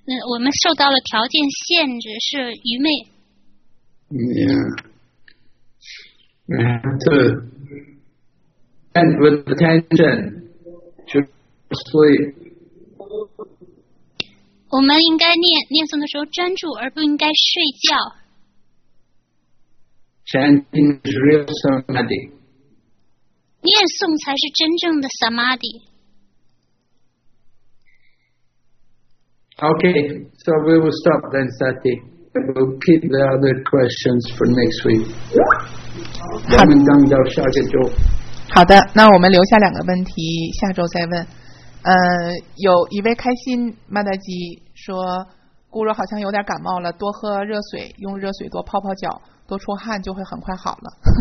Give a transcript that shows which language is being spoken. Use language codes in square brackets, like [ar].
[zh] 我们受到了条件限制，是愚昧。 [en] Yeah. We have to stand with attention to sleep. [zh] 我们应该念念诵的时候专注，而不应该睡觉。 [en] Chanting is real samadhi. [zh] 念诵才是真正的 samadhi。 [en] Okay, so we will stop then, Sati. We'll keep the other questions for next week. [zh] 好的，等到下个周。好的，那我们留下两个问题，下周再问。有一位开心马大吉说，姑姑好像有点感冒了，多喝热水，用热水多泡泡脚，多出汗就会很快好了。